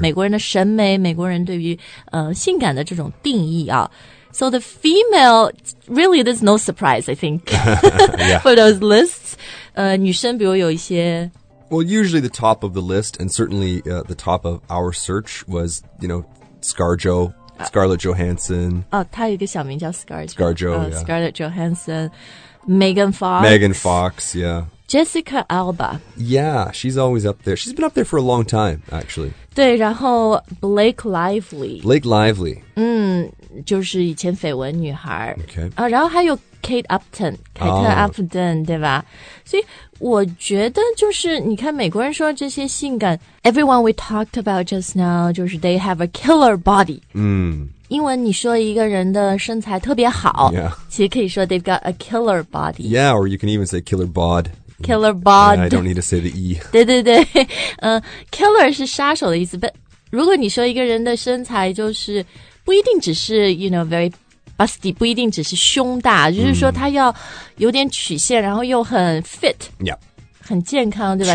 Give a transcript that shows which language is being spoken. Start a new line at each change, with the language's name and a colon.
Chinese: 美国人的审美美国人对于、性感的这种定义啊。
English: So the female, really there's no surprise, I think, 、yeah. for those lists.
Chinese: 女生比如有一些
English: Well, usually the top of the list and certainly、the top of our search was, you know, ScarJo, Scarlett Johansson.
Chinese: 她有一个小名叫 ScarJo.
English: ScarJo,、yeah. Scarlett Johansson, Megan Fox. Megan Fox, yeah. Jessica Alba. Yeah, she's always up there. She's been up there for a long time, actually.
Chinese: 对然后 Blake Lively.
English: Blake Lively.
Chinese: 就是以前绯闻女孩。
English: Okay.、
Chinese: 然后还有Kate Upton, 凯特 Upton,、对吧？所以我觉得就是你看美国人说这些性感 ,
English: everyone we talked about just now,
Chinese: 就是
English: they have a killer body.
Chinese: 英文你说一个人的身材特别好、
English: yeah.
Chinese: 其实可以说
English: they've got a killer body. Yeah, or you can even say killer bod. Killer bod. Yeah, I don't need to say the E.
Chinese: 对对对、killer 是杀手的意思 ,but 如果你说一个人的身材就是不一定只是
English: you know, very busty
Chinese: 不一定只是胸大就是说他要有点曲线然后又很 fit、很健康对吧、